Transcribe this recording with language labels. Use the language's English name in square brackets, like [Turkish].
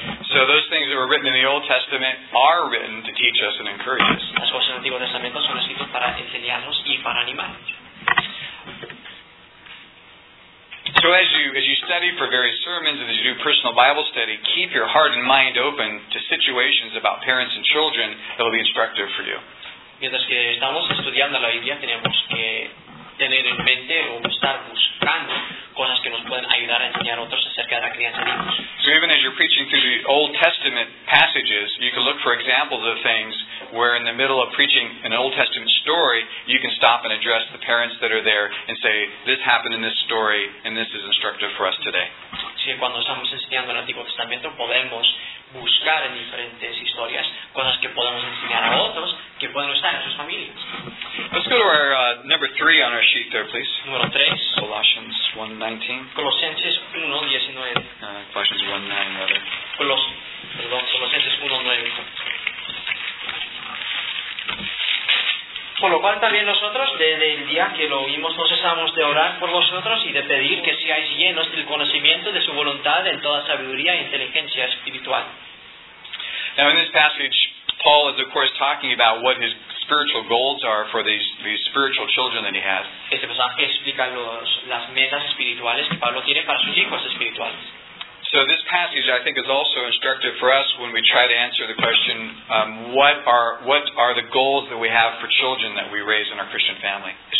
[English] So those things that were written in the Old Testament are written to teach us and encourage us. [Spanish] Las cosas del Antiguo Testamento son escritas para enseñarnos y para animarnos. [English] So as you study for various sermons and as you do personal Bible study, keep your heart and mind open to situations about parents and children that will be instructive for you. [Spanish] Mientras que estamos estudiando la Biblia, tenemos que tener en mente o estar buscando cosas que nos pueden ayudar a enseñar a otros acerca de la crianza de hijos. [English] So even as you're preaching through the Old Testament passages, you can look for examples of things where in the middle of preaching an Old Testament story, you can stop and address the parents that are there and say, this happened in this story, and this is instructive for us today. [Spanish] Sí, cuando estamos enseñando el Antiguo Testamento, podemos buscar en diferentes historias cosas que podemos enseñar a otros que pueden estar en sus familias. [English] Let's go to our number 3 on our sheet there, please. [Spanish] Número 3. [English] Colossians 1:19. [Spanish] Colosenses 1:19. [English] Colossians 1:9, rather. [Spanish] Colosenses 1:9. Por lo cual también nosotros, desde el día que lo oímos, no cesamos de orar por vosotros y de pedir que seáis llenos del conocimiento de su voluntad en toda sabiduría e inteligencia espiritual. [English] Now in this passage, Paul is of course talking about what his spiritual goals are for these spiritual children that he has. [Spanish] Este pasaje explica las metas espirituales que Pablo tiene para sus hijos espirituales. [English] So this passage, I think, is also instructive for us when we try to answer the question, what are the goals that we have for children that we raise in our Christian family?